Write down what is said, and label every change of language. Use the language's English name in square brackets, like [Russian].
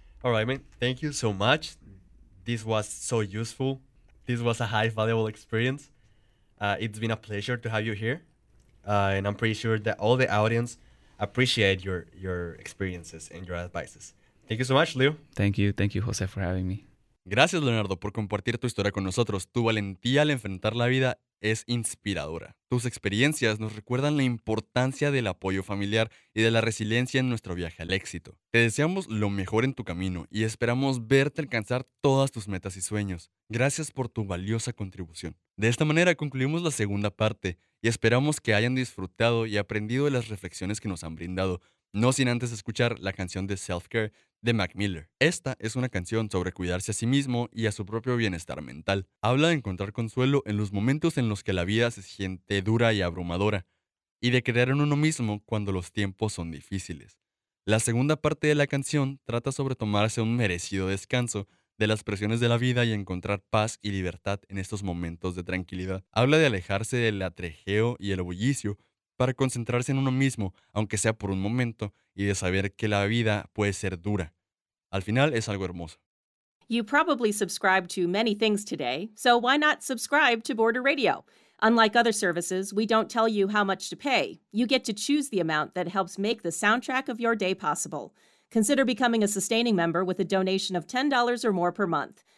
[English] All right, man. Thank you so much. This was so useful. This was a high valuable experience. It's been a pleasure to have you here. And I'm pretty sure that all the audience appreciate your experiences and your advices. Thank you so much, Leo. Thank you, Jose, for having me. [Spanish] Gracias, Leonardo, por compartir tu historia con nosotros. Tu valentía al enfrentar la vida es inspiradora. Tus experiencias nos recuerdan la importancia del apoyo familiar y de la resiliencia en nuestro viaje al éxito. Te deseamos lo mejor en tu camino y esperamos verte alcanzar todas tus metas y sueños. Gracias por tu valiosa contribución. De esta manera concluimos la segunda parte y esperamos que hayan disfrutado y aprendido de las reflexiones que nos han brindado, no sin antes escuchar la canción de Self Care de Mac Miller. Esta es una canción sobre cuidarse a sí mismo y a su propio bienestar mental. Habla de encontrar consuelo en los momentos en los que la vida se siente dura y abrumadora, y de creer en uno mismo cuando los tiempos son difíciles. La segunda parte de la canción trata sobre tomarse un merecido descanso de las presiones de la vida y encontrar paz y libertad en estos momentos de tranquilidad. Habla de alejarse del atrejeo y el bullicio para concentrarse en uno mismo, aunque sea por un momento, y de saber que la vida puede ser dura. Al final es algo hermoso. [English] You probably subscribe to many things today, so why not subscribe to Border Radio? Unlike other services, we don't tell you how much to pay. You get to choose the amount that helps make the soundtrack of your day possible. Consider becoming a sustaining member with a donation of $10 or more per month.